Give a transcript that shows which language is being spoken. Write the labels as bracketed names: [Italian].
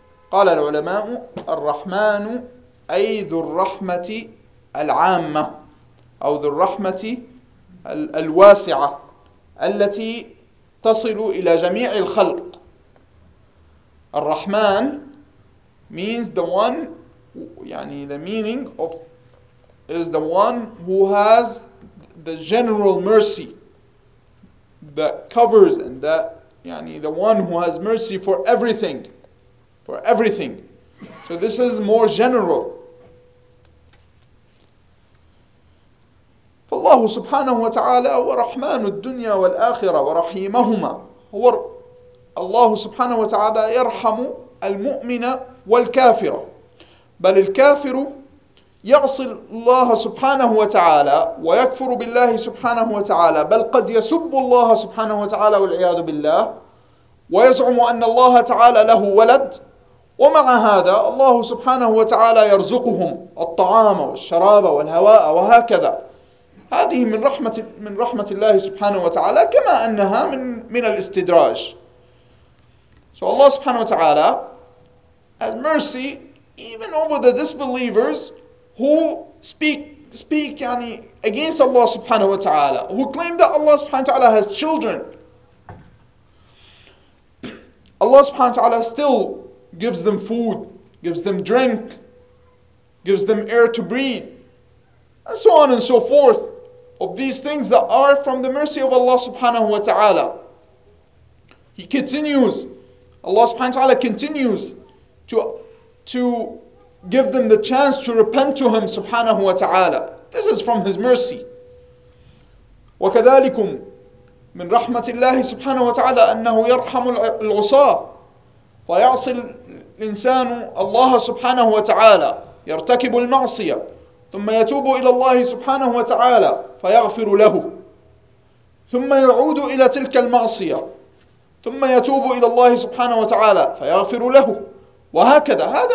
[Arabic] قال العلماء الرحمن أي ذو الرحمة العامة أو ذو الرحمة الواسعة التي تصل إلى جميع الخلق. [English] الرحمن means the one, يعني the meaning of is the one who has the general mercy that covers, and that يعني the one who has mercy for everything. For everything. So this is more general. [Arabic] فالله سبحانه وتعالى ورحمن الدنيا والآخرة ورحيمهما. هو الله سبحانه وتعالى يرحم المؤمن والكافر. بل الكافر يعصي الله سبحانه وتعالى ويكفر بالله سبحانه وتعالى, بل قد يسب الله سبحانه وتعالى والعياذ بالله, ويزعم أن الله تعالى له ولد, ومع هذا الله سبحانه وتعالى يرزقهم الطعام والشراب والهواء وهكذا. هذه من رحمة الله سبحانه وتعالى, كما أنها من الاستدراج. [English] So Allah سبحانه وتعالى has mercy even over the disbelievers who speak يعني against Allah سبحانه وتعالى, who claim that Allah سبحانه وتعالى has children. Allah سبحانه وتعالى still gives them food, gives them drink, gives them air to breathe, and so on and so forth, of these things that are from the mercy of Allah subhanahu wa ta'ala. He continues, Allah subhanahu wa ta'ala continues to give them the chance to repent to Him subhanahu wa ta'ala. This is from His mercy. [Arabic] وَكَذَلِكُمْ مِنْ رَحْمَةِ اللَّهِ سُبْحَانَهُ وَتَعَالَىٰ أَنَّهُ يَرْحَمُ الْعُصَاةِ فَيَعْصِ الإنسان الله سبحانه وتعالى يرتكب المعصية ثم يتوب إلى الله سبحانه وتعالى فيغفر له ثم يعود إلى تلك المعصية ثم يتوب إلى الله سبحانه وتعالى فيغفر له وهكذا.